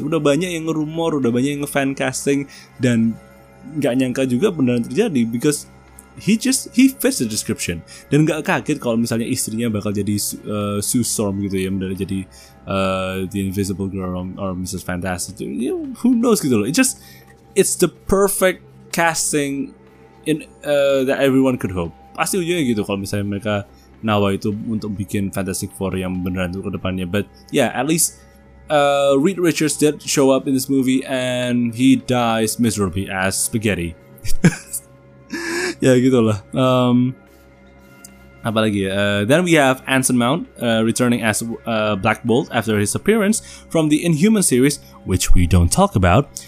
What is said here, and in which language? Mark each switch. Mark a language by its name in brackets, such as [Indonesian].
[Indonesian] Udah banyak yang ngerumor, udah banyak yang fan casting, dan gak nyangka juga beneran terjadi, [English] because he fits the description. [Indonesian] Dan gak kaget kalau misalnya istrinya bakal jadi Sue Storm gitu ya, beneran jadi [English] the Invisible Girl or Mrs. Fantastic, you know, who knows [Indonesian] gitu loh. [English] It's the perfect casting in that everyone could hope. [Indonesian] Pasti ujungnya gitu kalau misalnya mereka nawa itu untuk bikin Fantastic Four yang beneran tuh kedepannya. [English] But yeah, at least Reed Richards did show up in this movie and he dies miserably as spaghetti. [Indonesian] Ya gitu lah. Apalagi ya, [English] then we have Anson Mount returning as Black Bolt after his appearance from the Inhuman series, which we don't talk about.